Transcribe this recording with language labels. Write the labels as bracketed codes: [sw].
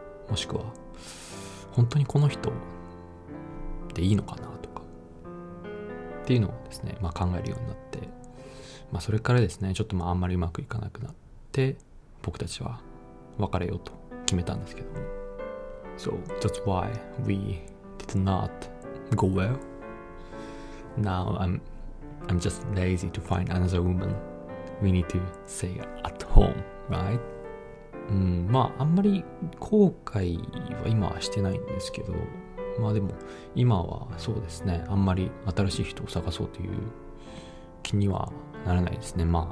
[ja] もしくは本当にこの人でいいのかなとかっていうのをですね、考えるようになって、それからですね、ちょっとあんまりうまくいかなくなって、僕たちは別れようと決めたんですけども、 [en] So that's why we did not go well. Now I'm just lazy to find another woman. We need to stay at home, right? [ja] あんまり後悔は今はしてないんですけど、でも今はそうですね、あんまり新しい人を探そうという気にはならないですね。